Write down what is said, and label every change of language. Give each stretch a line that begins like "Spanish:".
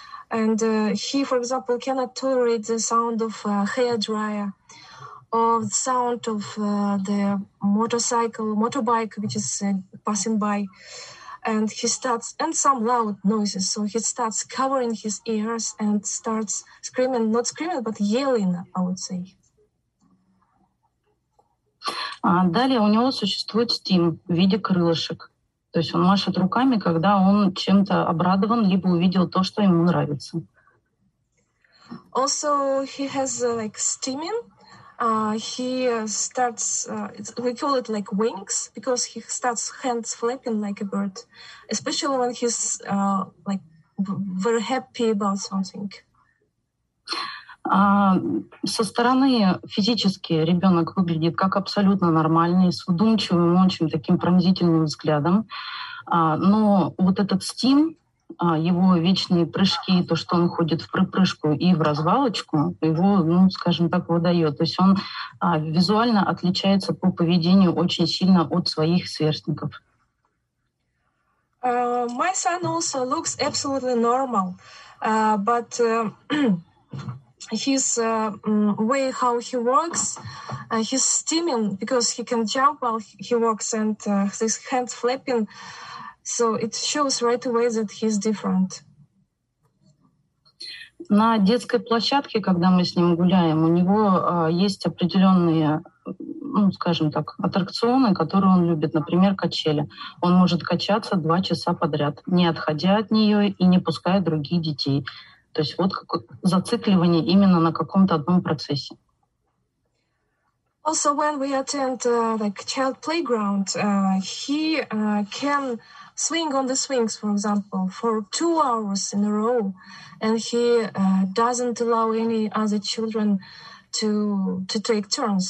English: And he, for example, cannot tolerate the sound of a hair dryer or the sound of the motorbike, which is passing by. And he starts, and some loud noises. So he starts covering his ears and starts screaming, not screaming, but yelling, I would say.
Russian: Далее у него существует стим в виде крылышек. То есть он машет руками, когда он чем-то обрадован, либо увидел то, что ему нравится.
English: Also, he has like steaming. He starts, we call it like wings, because he starts hands flapping like a bird, especially when he's like very happy about something.
Russian: Со стороны физически ребенок выглядит как абсолютно нормальный, с вдумчивым, очень таким пронзительным взглядом. Но вот этот стим, его вечные прыжки, то, что он ходит в припрыжку и в развалочку, его, ну, скажем так, выдает. То есть он визуально отличается по поведению очень сильно от своих сверстников.
English: My son also looks absolutely normal, but... His way how he walks, his steaming, because he can jump while he walks, and his hand flapping, so it shows right away that he's different.
Russian: На детской площадке, когда мы с ним гуляем, у него есть определенные, ну, скажем так, аттракционы, которые он любит. Например, качели. Он может качаться 2 часа подряд, не отходя от нее и не пуская других детей. То есть вот как, зацикливание именно на каком-то одном процессе.
English: Also, when we attend like child playground, he can swing on the swings, for example, for 2 hours in a row, and he doesn't allow any other children to take turns.